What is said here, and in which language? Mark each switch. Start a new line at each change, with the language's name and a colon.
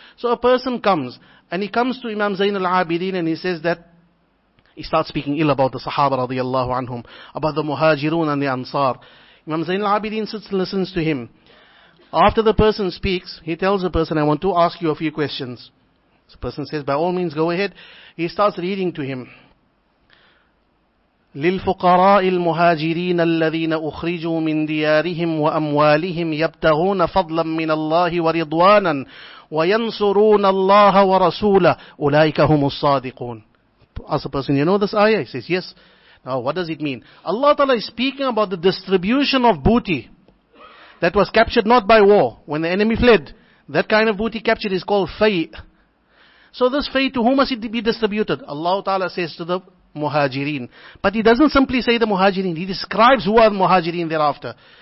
English: So a person comes, and he comes to Imam Zain al-Abidin, and he says that, he starts speaking ill about the Sahaba radiallahu anhum, about the Muhajirun and the Ansar. Imam Zain al-Abidin sits and listens to him. After the person speaks, he tells the person, I want to ask you a few questions. The person says, by all means, go ahead. He starts reading to him.
Arabic: للفقراء المهاجرين الذين أخرجوا من ديارهم وأموالهم يبتغون فضلا من الله ورضوانا وينصرون الله ورسوله أولئك هم الصادقون.
English: As a person, you know this ayah? He says, yes. Now, what does it mean? Allah Ta'ala is speaking about the distribution of booty that was captured not by war, when the enemy fled. That kind of booty captured is called fay'. So this fay', to whom must it be distributed? Allah Ta'ala says to the Muhajirin. But he doesn't simply say the Muhajirin, he describes who are the Muhajirin thereafter.